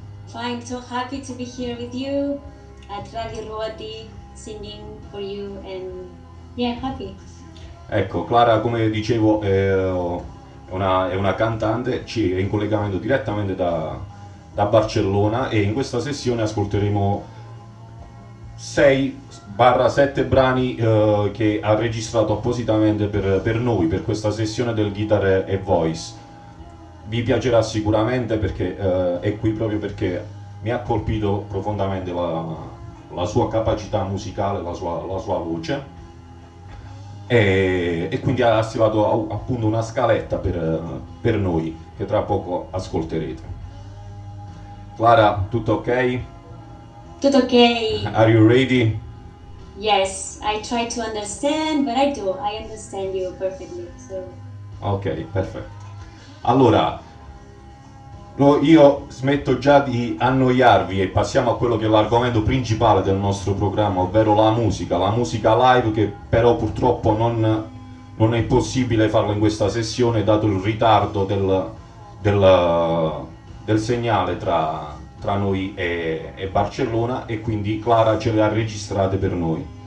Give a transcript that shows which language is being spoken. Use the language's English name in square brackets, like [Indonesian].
[English] Fine, so happy to be here with you at Radio Ruoti, singing for you, and yeah, happy. [Italian] Ecco, Clara, come dicevo, è una cantante, ci è in collegamento direttamente da Barcellona e in questa sessione ascolteremo 6/7 brani che ha registrato appositamente per noi, per questa sessione del Guitar e Voice. Vi piacerà sicuramente perché è qui proprio perché mi ha colpito profondamente la sua capacità musicale, la sua voce e quindi ha stilato appunto una scaletta per noi che tra poco ascolterete. Clara, tutto ok? Tutto ok. [English] Are you ready? Yes, I try to understand, but I do. I understand you perfectly, so. [Italian] Ok, perfetto. Allora, io smetto già di annoiarvi e passiamo a quello che è l'argomento principale del nostro programma, ovvero la musica live, che però purtroppo non è possibile farlo in questa sessione, dato il ritardo del segnale tra noi e Barcellona, e quindi Clara ce le ha registrate per noi.